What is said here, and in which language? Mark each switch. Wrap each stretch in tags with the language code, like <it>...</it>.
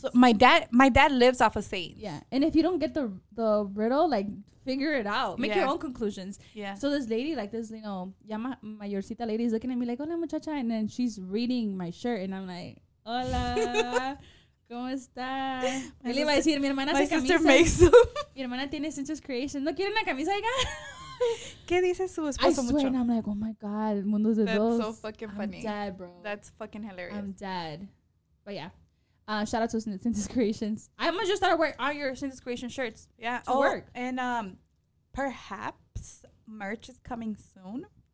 <en>So my dad lives off of sayings. Yeah, and if you don't get the riddle, like, figure it out. Make your own conclusions. Yeah. So this lady, like, this, you know,</en> <es>ya mayorcita</es> <en>lady is looking at me like,</en> <es>hola, muchacha.</es> <en>And then she's reading my shirt and I'm like, hola.</en> <es>¿Cómo está? Él iba a decir, mi hermana hace camisas.</es> <en>My sister makes them.</en> <es>Mi hermana tiene Cynthia's Creations. ¿No quiere una camisa, oiga? ¿Qué dice su esposo mucho?</es> <en>I swear, and I'm like, oh my God,</en> <es>mundos de dos.</es> <en>That's so fucking funny. I'm dead, bro. That's fucking hilarious. I'm dead. But yeah. Shout out to Cynthia's Creations. I'm going to just start wearing all your Cynthia's Creations shirts. Yeah. To work. And perhaps merch is coming soon.</en>